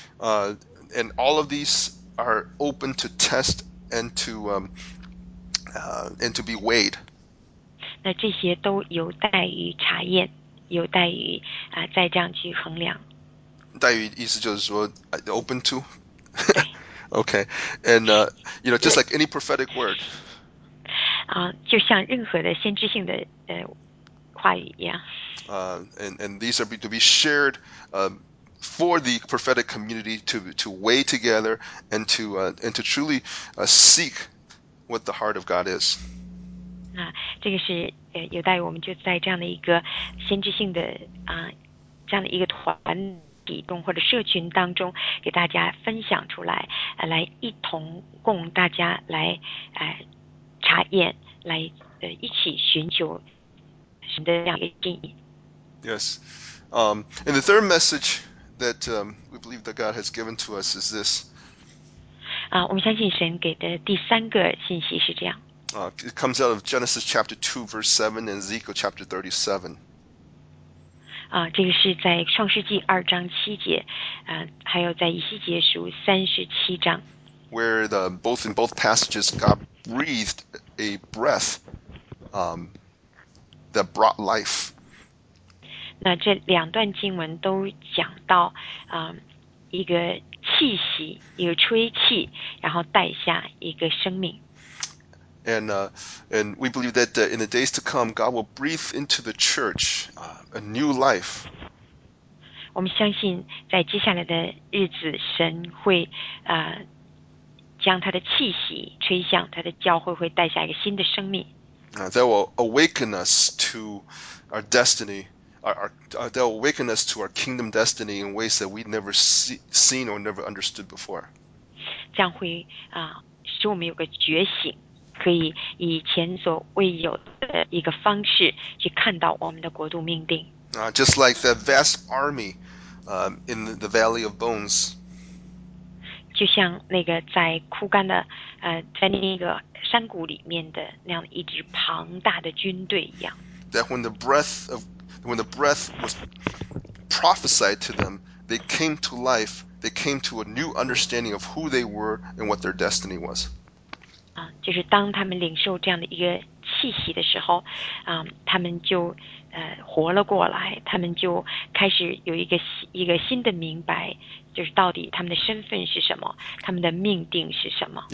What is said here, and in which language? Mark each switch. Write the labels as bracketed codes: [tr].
[en] And all of these are open to test and to be weighed. [zh] 那这些都有待于查验，有待于再这样去衡量。待于意思就是说 [en] open to. okay, and you know, just like any prophetic word. [zh] 就像任何的先知性的话语一样。 [en] And these are to be shared. For the prophetic community to weigh together and to truly seek what the heart of God is. [zh] 那这个是有待于我们就在这样的一个先知性的这样的一个团体中或者社群当中给大家分享出来，来一同供大家来查验，来一起寻求神的这样一个建议。 [en] Yes, and the third message. That we believe that God has given to us is this. [zh] 我们相信神给的第三个信息是这样。 [en] It comes out of Genesis chapter 2, verse 7 and Ezekiel chapter 37. [zh] 这个是在创世纪二章七节，还有在以西结书三十七章。 [en] Where both passages God breathed a breath that brought life. [zh] 那这两段经文都讲到，一个气息，一个吹气，然后带下一个生命。 [en] And we believe that in the days to come, God will breathe into the church a new life. [zh] 我们相信在接下来的日子，神会将他的气息吹向他的教会，会带下一个新的生命。 [en] That will awaken us to our destiny, that will awaken us to our kingdom destiny in ways that we'd never seen or never understood before. [zh] 这样会使我们有个觉醒，可以以前所未有的一个方式去看到我们的国度命定。 [en] Just like that vast army in the Valley of Bones. [zh] 就像那个在枯干的在那个山谷里面的那样一支庞大的军队一样。 [en] That when the breath was prophesied to them, they came to life, they came to a new understanding of who they were and what their destiny was. [zh] 就是当他们领受这样的一个气息的时候，他们就活了过来，他们就开始有一个新的明白，就是到底他们的身份是什么，他们的命定是什么。